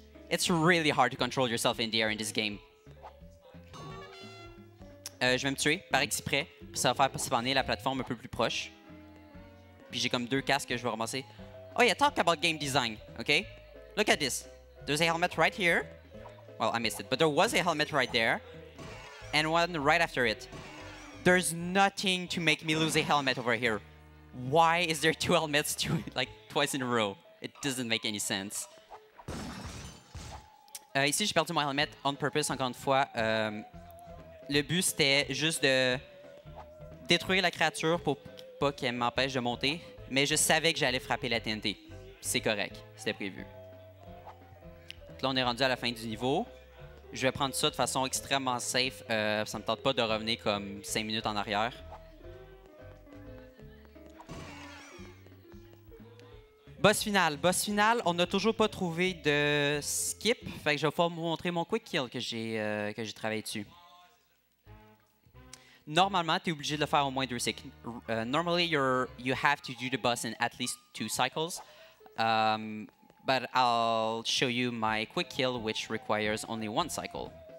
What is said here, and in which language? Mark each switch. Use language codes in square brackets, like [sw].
[en] It's really hard to control yourself in the air in this game. [fr] Je vais me tuer par exprès, puis ça va faire spawner la plateforme un peu plus proche. Puis j'ai comme deux casques que je vais ramasser. [en] Oh yeah, talk about game design, okay? Look at this. There's a helmet right here. Well, I missed it, but there was a helmet right there. And one right after it. There's nothing to make me lose a helmet over here. Why is there two helmets to, like, twice in a row? It doesn't make any sense. [fr] Ici, j'ai perdu mon helmet [en] on purpose, [fr] encore une fois. Le but, c'était juste de détruire la créature pour pas qu'elle m'empêche de monter. Mais je savais que j'allais frapper la TNT. C'est correct. C'était prévu. Donc là, on est rendu à la fin du niveau. Je vais prendre ça de façon extrêmement safe. Ça me tente pas de revenir comme 5 minutes en arrière. Boss final. Boss final, on n'a toujours pas trouvé de skip. Fait que je vais pouvoir vous montrer mon quick kill que j'ai travaillé dessus. Normalement, tu es obligé de le faire au moins deux cycles. [en] Normally, you have to do the boss in at least two cycles. But I'll show you my quick kill, which requires only one cycle.